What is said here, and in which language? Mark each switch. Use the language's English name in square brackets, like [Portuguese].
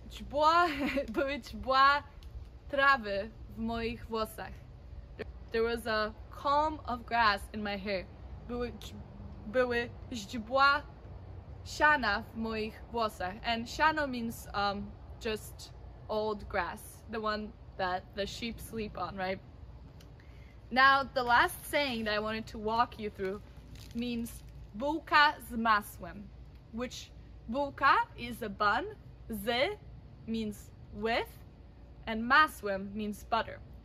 [Polish] Były źdźbła trawy w moich włosach. [English] There was a comb of grass in my hair. [Polish] Były źdźbła siana w moich włosach. [English] And siano means just old grass, the one that the sheep sleep on, right? Now, the last saying that I wanted to walk you through means [Polish] bułka z masłem, [English] which bułka is a bun, z means with, and masłem means butter.